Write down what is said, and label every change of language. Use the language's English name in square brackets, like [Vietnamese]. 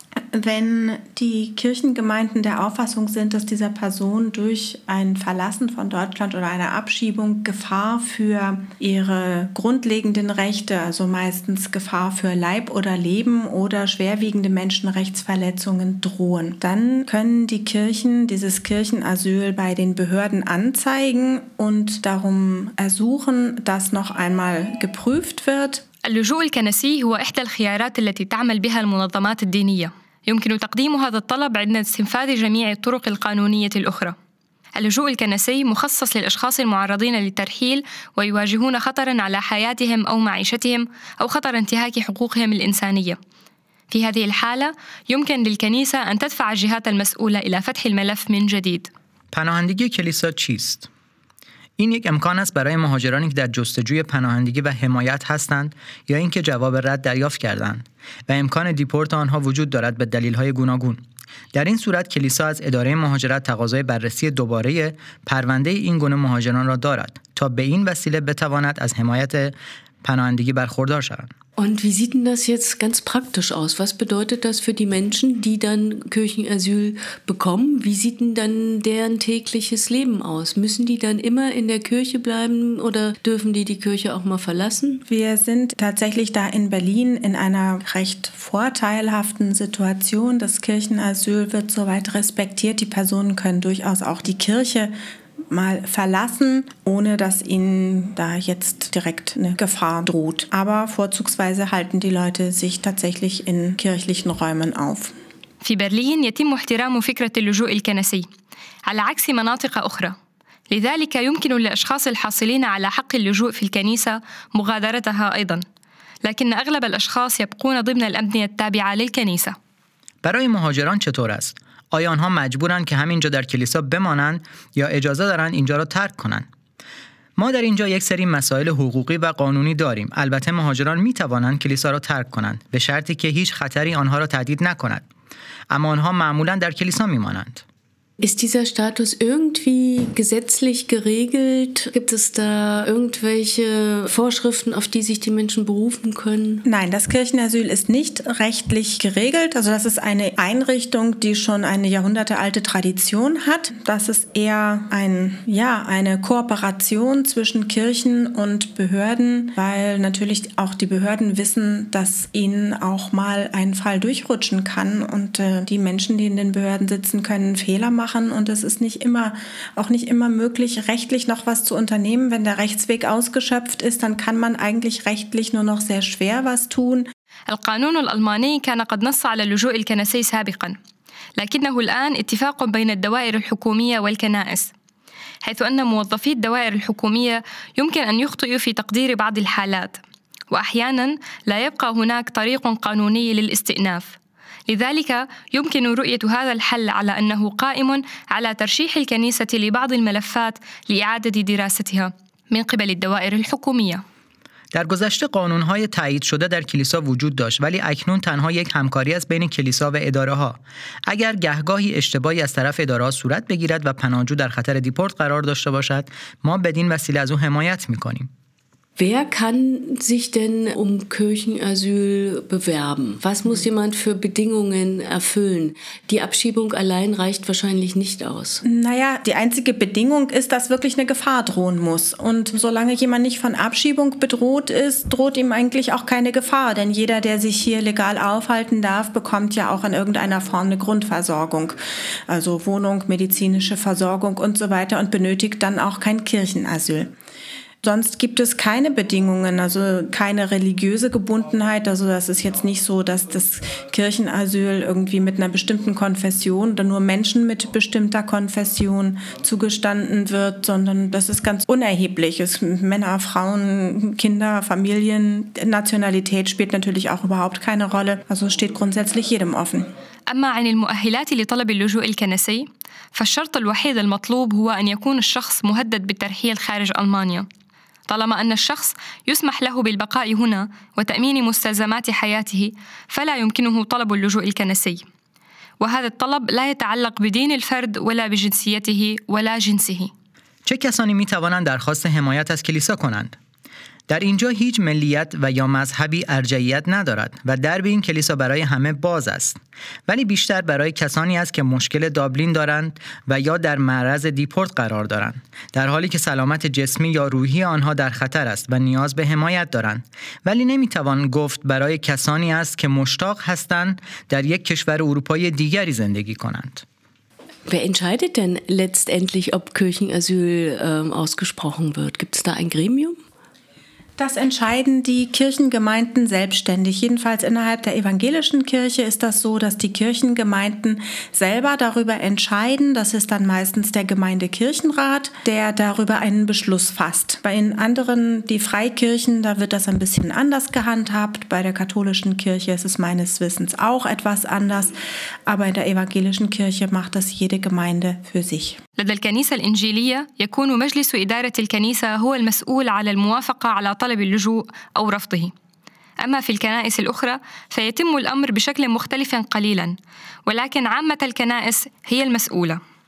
[German] Wenn die Kirchengemeinden der Auffassung sind, dass dieser Person durch ein Verlassen von Deutschland oder eine Abschiebung Gefahr für ihre grundlegenden Rechte, also meistens Gefahr für Leib oder Leben oder schwerwiegende Menschenrechtsverletzungen drohen, dann können die Kirchen dieses Kirchenasyl bei den Behörden anzeigen und darum ersuchen, dass noch einmal geprüft wird. [Arabic] اللجوء الكنسي هو إحدى الخيارات التي تعمل بها المنظمات الدينية. يمكن تقديم هذا الطلب عند استنفاذ جميع الطرق القانونية الأخرى. اللجوء الكنسي مخصص للأشخاص المعرضين للترحيل ويواجهون خطراً على حياتهم أو معيشتهم أو خطر انتهاك حقوقهم الإنسانية. في هذه الحالة يمكن للكنيسة أن تدفع الجهات المسؤولة إلى فتح الملف من جديد. [Persian] پناهندگی کلیسا چیست؟ این یک امکان است برای مهاجرانی که در جستجوی پناهندگی و حمایت هستند یا اینکه جواب رد دریافت کردند و امکان دیپورت آنها وجود دارد به دلیل‌های گوناگون. در این صورت کلیسا از اداره مهاجرت تقاضای بررسی دوباره پرونده این گونه مهاجران را دارد تا به این وسیله بتواند از حمایت پناهندگی برخوردار شود. [German] Und wie sieht denn das jetzt ganz praktisch aus? Was bedeutet das für die Menschen, die dann Kirchenasyl bekommen? Wie sieht denn dann deren tägliches Leben aus? Müssen die dann immer in der Kirche bleiben oder dürfen die Kirche auch mal verlassen? Wir sind tatsächlich da in Berlin in einer recht vorteilhaften Situation. Das Kirchenasyl wird soweit respektiert. Die Personen können durchaus auch die Kirche mal verlassen, ohne dass ihnen da jetzt direkt eine Gefahr droht. Aber vorzugsweise halten die Leute sich tatsächlich in kirchlichen Räumen auf. [Arabic] في برلين يتم احترام فكرة اللجوء الكنسي على عكس مناطق أخرى. لذلك يمكن للأشخاص الحاصلين على حق اللجوء في الكنيسة مغادرتها أيضا. لكن أغلب الأشخاص يبقون ضمن الأبنية التابعة للكنيسة. [Persian] برای مهاجران چطور است؟ آیا آنها مجبورند که همینجا در کلیسا بمانند یا اجازه دارند اینجا را ترک کنند؟ ما در اینجا یک سری مسائل حقوقی و قانونی داریم. البته مهاجران می توانند کلیسا را ترک کنند به شرطی که هیچ خطری آنها را تهدید نکند. اما آنها معمولا در کلیسا می مانند. [German] Ist dieser Status irgendwie gesetzlich geregelt? Gibt es da irgendwelche Vorschriften, auf die sich die Menschen berufen können? Nein, das Kirchenasyl ist nicht rechtlich geregelt. Also das ist eine Einrichtung, die schon eine jahrhundertealte Tradition hat. Das ist eher eine Kooperation zwischen Kirchen und Behörden, weil natürlich auch die Behörden wissen, dass ihnen auch mal ein Fall durchrutschen kann und die Menschen, die in den Behörden sitzen, können Fehler machen. Und es ist nicht immer möglich, rechtlich noch was zu unternehmen. Wenn der Rechtsweg ausgeschöpft ist, dann kann man eigentlich rechtlich nur noch sehr schwer was tun. [Arabic] القانون الألماني كان قد نص على اللجوء الكنسي سابقا، لكنه الآن اتفاق بين الدوائر الحكومية والكنائس، حيث أن موظفي الدوائر الحكومية يمكن أن يخطئوا في تقدير بعض الحالات، وأحيانا لا يبقى هناك طريق قانوني للاستئناف. لذلك يمكن رؤية هذا الحل على أنه قائم على ترشيح الكنيسة لبعض الملفات لإعادة دراستها من قبل الدوائر الحكومية. [Persian] در گذشته قانون‌های تایید شده در کلیسا وجود داشت، ولی اکنون تنها یک همکاری است بین کلیسا و اداره‌ها. اگر گهگاهی اشتباهی از طرف اداره‌ها صورت بگیرد و پناهجو در خطر دیپورت قرار داشته باشد، ما بدین وسیله از او حمایت می‌کنیم. [German] Wer kann sich denn um Kirchenasyl bewerben? Was muss jemand für Bedingungen erfüllen? Die Abschiebung allein reicht wahrscheinlich nicht aus. Naja, die einzige Bedingung ist, dass wirklich eine Gefahr drohen muss. Und solange jemand nicht von Abschiebung bedroht ist, droht ihm eigentlich auch keine Gefahr. Denn jeder, der sich hier legal aufhalten darf, bekommt ja auch in irgendeiner Form eine Grundversorgung. Also Wohnung, medizinische Versorgung und so weiter und benötigt dann auch kein Kirchenasyl. Sonst gibt es keine Bedingungen, also keine religiöse Gebundenheit. Also das ist jetzt nicht so, dass das Kirchenasyl irgendwie mit einer bestimmten Konfession oder nur Menschen mit bestimmter Konfession zugestanden wird, sondern das ist ganz unerheblich. Es sind Männer, Frauen, Kinder, Familien, Nationalität spielt natürlich auch überhaupt keine Rolle. Also steht grundsätzlich jedem offen. [Arabic] أما عن المؤهلات لطلب اللجوء الكنسي، فالشرط الوحيد المطلوب هو أن يكون الشخص مهدد بالترحيل خارج ألمانيا. طالما أن الشخص يسمح له بالبقاء هنا وتأمين مستلزمات حياته، فلا يمكنه طلب اللجوء الكنسي، وهذا الطلب لا يتعلق بدين الفرد ولا بجنسيته ولا جنسه. [Persian] چه کسانی می توانند درخواست حمایت از کلیسا کنند؟ در اینجا هیچ ملیت و یا مذهبی ارجحیت ندارد و درب این کلیسا برای همه باز است، ولی بیشتر برای کسانی است که مشکل دابلین دارند و یا در معرض دیپورت قرار دارند، در حالی که سلامت جسمی یا روحی آنها در خطر است و نیاز به حمایت دارند، ولی نمیتوان گفت برای کسانی است که مشتاق هستند در یک کشور اروپایی دیگری زندگی کنند. [German] Wer entscheidet denn letztendlich, ob Kirchenasyl ausgesprochen wird? Gibt es da ein Gremium? Das entscheiden die Kirchengemeinden selbstständig. Jedenfalls innerhalb der evangelischen Kirche ist das so, dass die Kirchengemeinden selber darüber entscheiden. Das ist dann meistens der Gemeindekirchenrat, der darüber einen Beschluss fasst. Bei den anderen, die Freikirchen, da wird das ein bisschen anders gehandhabt. Bei der katholischen Kirche ist es meines Wissens auch etwas anders. Aber in der evangelischen Kirche macht das jede Gemeinde für sich. [Arabic] لدى الكنيسة الإنجيلية يكون مجلس إدارة الكنيسة هو المسؤول على الموافقة على طلب اللجوء أو رفضه. أما في الكنائس الأخرى فيتم الأمر بشكل مختلف قليلا، ولكن عامة الكنائس هي المسؤولة.